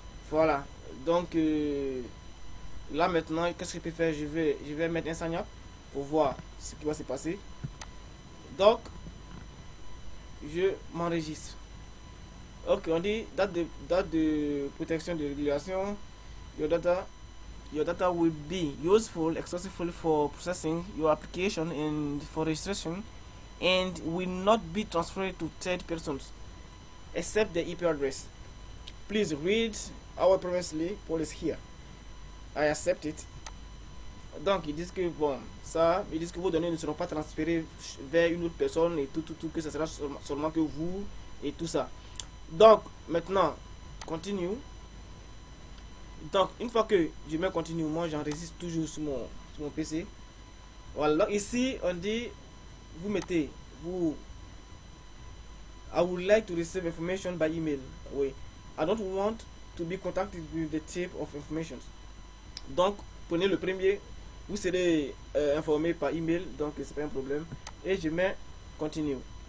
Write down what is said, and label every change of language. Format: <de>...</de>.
<fr>Voilà, donc là maintenant, qu'est-ce que je peux faire? Je vais mettre un sign up pour voir ce qui va se passer. Donc je m'enregistre. Ok, on dit date de protection de régulation.</fr> <en>Your data will be useful exclusively for processing your application and for registration and will not be transferred to third persons except the IP address. Please read our privacy policy here. I accept it.</en> <fr>Donc ils disent que bon, ça, ils disent que vos données ne seront pas transférées vers une autre personne et tout, que ce sera seulement que vous et tout ça. Donc maintenant, continue. Donc une fois que je mets continue, moi j'enregistre toujours sur mon PC. Voilà, ici on dit vous mettez vous.</fr> <en>I would like to receive information by email. Oui. I don't want to be contacted with the type of information.</en> <fr>Donc, prenez le premier. Vous serez informé par email. Donc, c'est pas un problème. Et je mets continue.</fr>